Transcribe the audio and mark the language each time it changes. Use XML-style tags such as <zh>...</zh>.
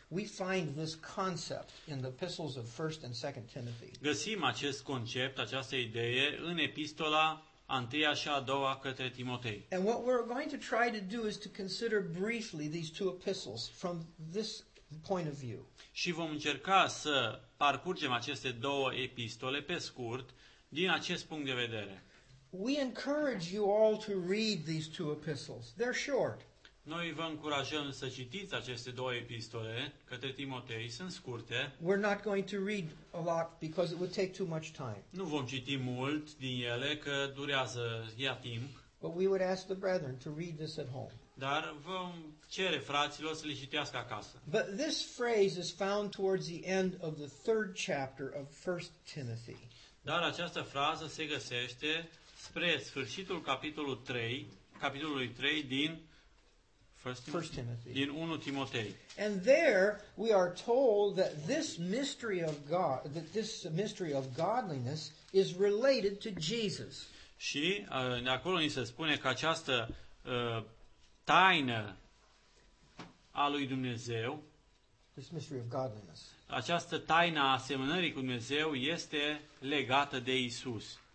<en>We find this concept in the epistles of 1st and 2nd Timothy.</en> <ro>Găsim acest concept, această idee în epistola a întâia și a doua către Timotei.</ro> <en>And what we're going to try to do is to consider briefly these two epistles from this point of view.</en> <ro>Și vom încerca să parcurgem aceste două epistole pe scurt din acest punct de vedere.</ro> <en>We encourage you all to read these two epistles. They're short.</en> <ro>Noi vă încurajăm să citiți aceste două epistole către Timotei, sunt scurte.</ro> <en>We're not going to read a lot because it would take too much time.</en> <ro>Nu vom citi mult din ele că durează, ia timp.</ro> <en>But we would ask the brethren to read this at home.</en> <ro>Dar vom cere fraților să le citească acasă.</ro> <en>But this phrase is found towards the end of the third chapter of 1 Timothy.</en> <ro>Dar această frază se găsește spre sfârșitul capitolului 3 din 1 Timothy. In 1 Timotei.</ro> <en>And there we are told that this mystery of godliness is related to Jesus.</en> <ro>Și acolo ni se spune că această taină a lui Dumnezeu,</ro> <en>this mystery of godliness,</en> <ro>această taină a asemănării cu Dumnezeu este legată de Isus.</ro>